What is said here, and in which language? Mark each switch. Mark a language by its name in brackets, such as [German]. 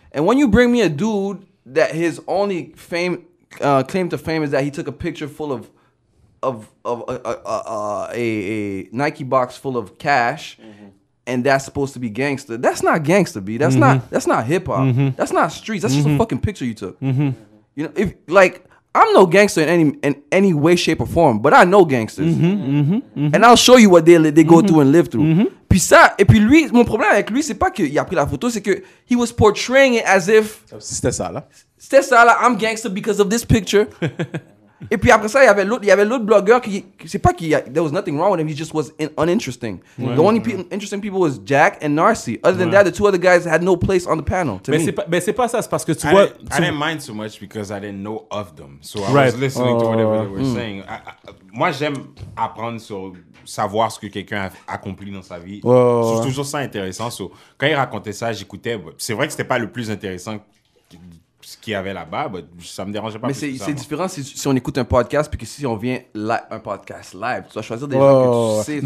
[English] And when you bring me a dude that his only fame claim to fame is that he took a picture full of a Nike box full of cash, mm-hmm. and that's supposed to be gangster. That's not gangster, B. That's not hip hop. Mm-hmm. That's not streets. That's just a fucking picture you took. Mm-hmm. You know, if like. I'm no gangster in any way, shape, or form, but I know gangsters. Mm-hmm, mm-hmm, mm-hmm. And I'll show you what they go mm-hmm. through and live through. Mm-hmm. [French] Puis ça, et puis lui, mon problème avec lui, c'est pas qu'il a pris la photo, c'est que [English] he was portraying it as if... [French] C'était ça, là. [English] I'm gangster because of this picture. [French] Et puis après ça, il y avait l'autre blogueur qui... C'est pas [English] there was nothing wrong with him, he just was uninteresting. Ouais, the only interesting people was Jack and Narcy. Other than that, the two other guys had no place on the panel, to [French] mais [English] me. [French] Mais c'est pas ça, c'est parce que [English] I didn't mind so much because I didn't know of them. So right. I was listening to whatever they were saying. [French] Moi, j'aime apprendre sur savoir ce que quelqu'un a accompli dans sa vie. C'est toujours ça intéressant. So, quand il racontait ça, j'écoutais. C'est vrai que c'était pas le plus intéressant... ce qu'il y avait là-bas, ça me dérangeait pas. Mais c'est ça, différent si on écoute un podcast puis que si on vient un podcast live, tu dois choisir des gens que tu sais.